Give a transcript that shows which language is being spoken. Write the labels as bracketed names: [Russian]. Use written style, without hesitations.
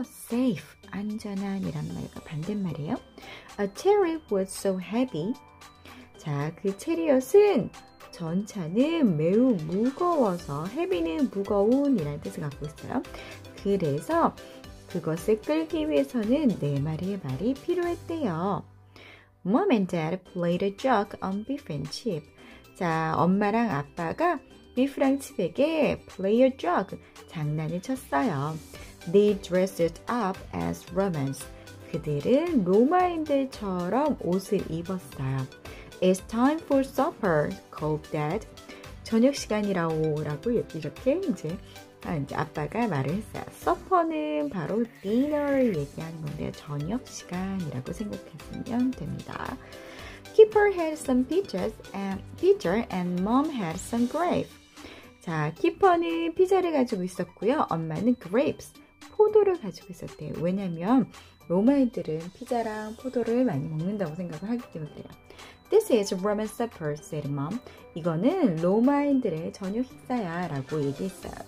[English] Safe, [Korean] 안전한 이란 말과 반대말이에요. [English] A chariot was so heavy. [Korean] 자, 그 체리엇은 전차는 매우 무거워서 헤비는 무거운 이라는 뜻을 갖고 있어요. 그래서 그것을 끌기 위해서는 네 마리의 말이 필요했대요. [English] Mom and Dad played a joke on Biff and Chip. [Korean] 자, 엄마랑 아빠가 Biff랑 Chip에게 [English] play a joke [Korean] 장난을 쳤어요. [English] They dressed up as Romans. [Korean] 그들은 로마인들처럼 옷을 입었어요. [English] It's time for supper, called Dad. [Korean] 저녁 시간이라고 이렇게 이제 아빠가 말을 했어요. Supper는 바로 dinner를 얘기하는 건데 저녁 시간이라고 생각하시면 됩니다. [English] Keeper had some pitcher and mom had some grape. [Korean] 자, 키퍼는 피자를 가지고 있었고요. 엄마는 grapes, 포도를 가지고 있었대요. 왜냐면 로마인들은 피자랑 포도를 많이 먹는다고 생각을 하기 때문에 그래요. [English] This is Roman supper, said mom. [Korean] 이거는 로마인들의 저녁 식사야 라고 얘기했어요.